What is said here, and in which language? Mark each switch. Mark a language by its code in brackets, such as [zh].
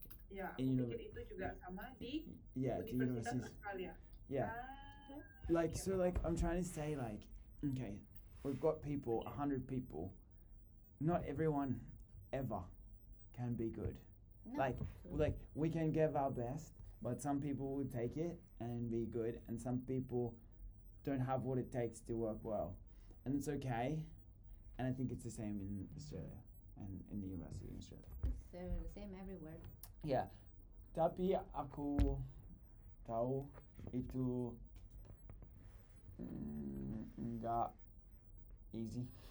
[id] Yeah, aku pikir itu juga sama di Australia. [en] Yeah. I'm trying to say like, okay, we've got people, 100 people. Not everyone ever can be good. No. Like we can give our best, but some people will take it and be good, and some people don't have what it takes to work well. And it's okay. And I think it's the same in Australia and in the US in Australia. It's the same everywhere. Yeah. [id] Tapi aku tahu itu enggak [en] easy.